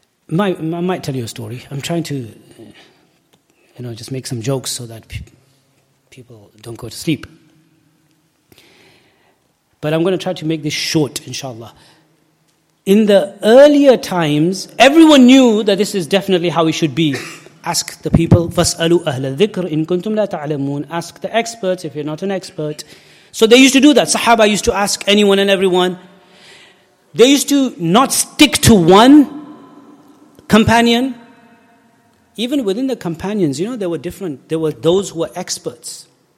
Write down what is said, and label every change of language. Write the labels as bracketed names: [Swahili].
[English] I might tell you a story. I'm trying to, you know, just make some jokes so that people don't go to sleep. But I'm going to try to make this short, inshallah. In the earlier times, everyone knew that this is definitely how it should be. Ask the people, [Arabic] فَاسْأَلُوا أَهْلَ الذِّكْرِ إِن كُنْتُمْ لَا تَعْلَمُونَ. [English] Ask the experts if you're not an expert. So they used to do that. Sahaba used to ask anyone and everyone. They used to not stick to one companion. Even within the companions, you know, there were different. There were those who were experts.